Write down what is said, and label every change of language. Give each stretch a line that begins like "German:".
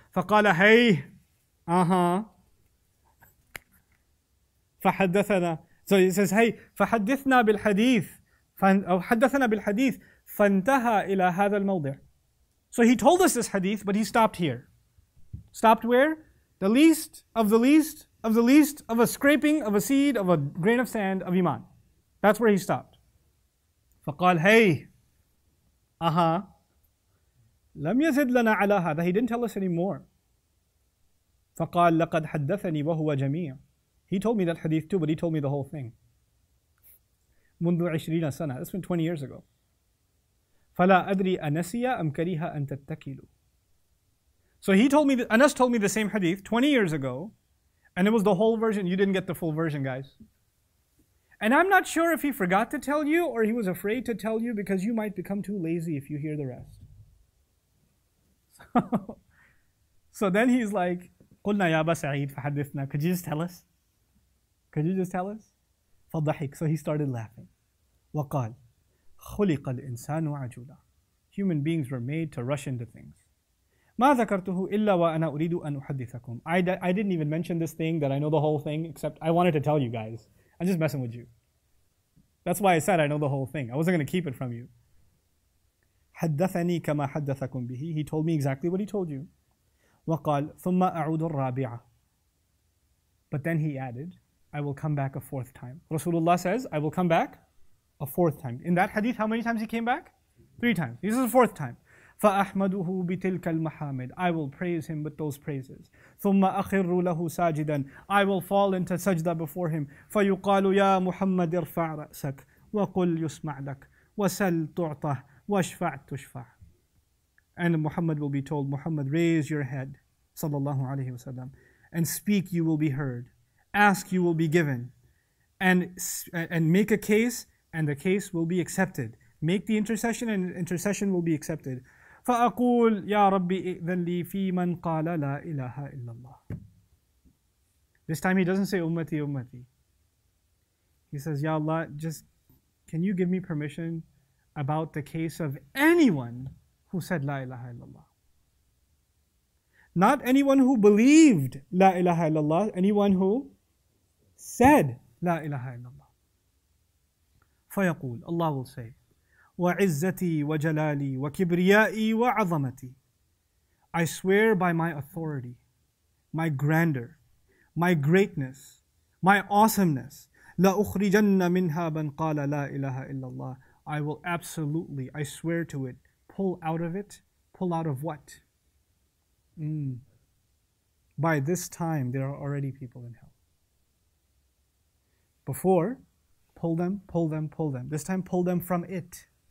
Arabic: فَقَالَ هَيْ فحدثنا
English: so he says hey
Arabic: فحدثنا بالحديث أو حدثنا بالحديث فانتهى إلى هذا الموضع
English: so he told us this hadith but he stopped here Stopped where? The least of the least of the least of a scraping of a seed of a grain of sand of iman. That's where he stopped.
Arabic: فقال هي لم يزد لنا على هذا.
English: He didn't tell us anymore.
Arabic: فقال لقد حدثني وهو جميع.
English: He told me that hadith too, but he told me the whole thing.
Arabic: منذ 20 سنة.
English: That's been 20 years ago.
Arabic: فلا أدري أنسيا أم كريها أن تتكلوا.
English: So he told me, Anas told me the same hadith 20 years ago, and it was the whole version. You didn't get the full version, guys. And I'm not sure if he forgot to tell you or he was afraid to tell you because you might become too lazy if you hear the rest. So then he's like,
Arabic: قلنا يا أبا سعيد فحدثنا.
English: Could you just tell us? Could you just tell us?
Arabic: فضحك.
English: So he started laughing.
Arabic: وقال خلق الإنسان عجولا.
English: Human beings were made to rush into things.
Arabic: ما ذكرته إلا وأنا أريد أن أحدثكم.
English: I didn't even mention this thing that I know the whole thing, except I wanted to tell you guys. I'm just messing with you. That's why I said I know the whole thing. I wasn't going to keep it from you.
Arabic: حدثني كما حدثكم به.
English: He told me exactly what he told you.
Arabic: وقال ثم أعود الرابعة.
English: But then he added, I will come back a fourth time. Rasulullah says, I will come back a fourth time. In that hadith, how many times he came back? Three times. This is the fourth time.
Arabic: فَأَحْمَدُهُ بِتِلْكَ الْمَحَامِدِ.
English: I will praise him with those praises.
Arabic: ثُمَّ أَخِرُّ لَهُ سَاجِدًا.
English: I will fall into sajda before him.
Arabic: فَيُقَالُ يَا مُحَمَّدِ ارْفَعْ رَأْسَكْ وَقُلْ يُسْمَعْ لَكْ وَسَلْ تُعْطَهْ وَشْفَعْ تُشْفَعْ.
English: And Muhammad will be told, Muhammad, raise your head,
Arabic: صلى الله عليه وسلم,
English: and speak, you will be heard. Ask, you will be given. And make a case, and the case will be accepted. Make the intercession, and intercession will be accepted.
Arabic: فأقول يا ربي إذن لي في من قال لا إله إلا الله.
English: This time he doesn't say Ummati, Ummati. He says, Ya Allah, just can you give me permission about the case of anyone who said La ilaha illallah? Not anyone who believed La ilaha illallah, anyone who said La ilaha illallah.
Arabic: فيقول,
English: Allah will say,
Arabic: وعزتي وجلالي وكبريائي وعظمتي.
English: I swear by my authority, my grandeur, my greatness, my awesomeness.
Arabic: لا أخرجن منها من قال لا إله إلا الله.
English: I will absolutely, I swear to it, pull out of it. Pull out of what? By this time, there are already people in hell. Before, pull them, pull them, pull them. This time, pull them from it.